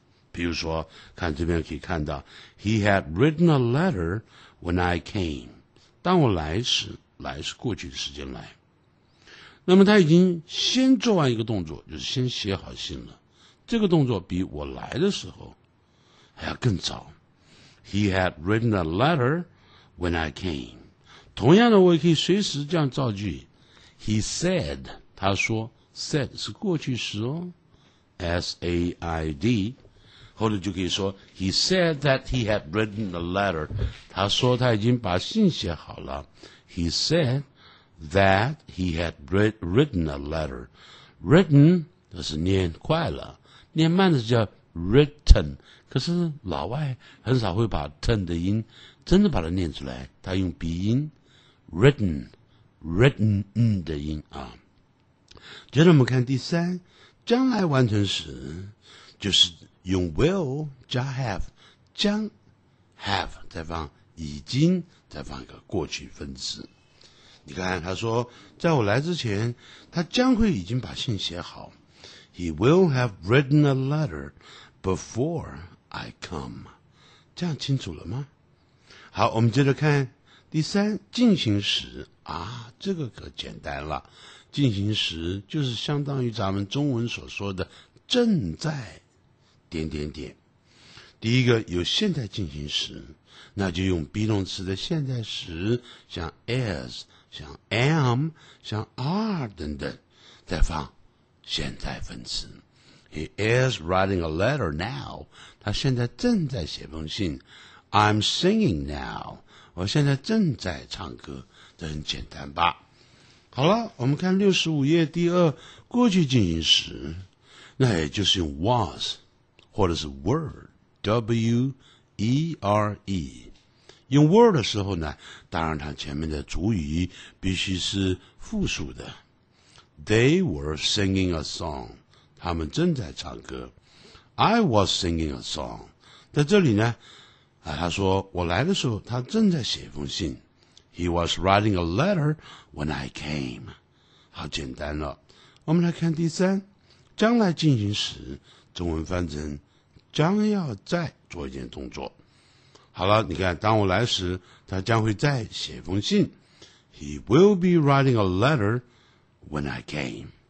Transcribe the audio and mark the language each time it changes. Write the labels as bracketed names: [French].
[Chinese] 比如说看这边可以看到， [English] He had written a letter when I came， [Chinese] 当我来时，来是过去的时间来。那么他已经先做完一个动作，就是先写好信了，这个动作比我来的时候还要更早。 [English] He had written a letter when I came。 [Chinese] 同样的，我也可以随时这样造句， [English] He said， 他说， said 是过去时哦， S-A-I-D， [Chinese] 或者就可以说 [English] He said that he had written a letter， [Chinese] 他说他已经把信写好了， [English] He said that he had written a letter。 [Chinese] Written 这是念快了，念慢的是叫 written， 可是老外很少会把 ten 的音真的把它念出来，他用鼻音written， written 的音啊。接着我们看第三，将来完成时，就是用 will 加 have， 将 have 再放已经，再放一个过去分词。你看他说，在我来之前，他将会已经把信写好。 [English] He will have written a letter before I come。 [Chinese] 这样清楚了吗？好，我们接着看。第三，进行时啊，这个可简单了。进行时就是相当于咱们中文所说的正在点点点。第一个有现在进行时，那就用 be 动词的现在时，像 is， 像 am， 像 are 等等，再放现在分词。 [English] He is writing a letter now， [Chinese] 他现在正在写封信。 [English] I'm singing now， [Chinese] 我现在正在唱歌，这很简单吧。好了，我们看65页第二，过去进行时，那也就是用 was 或者是 were， W-E-R-E。用 were 的时候呢，当然它前面的主语必须是复数的， [English] They were singing a song， [Chinese] 他们正在唱歌。 [English] I was singing a song， [Chinese] 在这里呢啊，他说我来的时候他正在写一封信。 [English] He was writing a letter when I came。 [Chinese] 好简单了。我们来看第三，将来进行时，中文翻成将要再做一件动作。好了，你看当我来时，他将会再写一封信。 [English] He will be writing a letter when I came。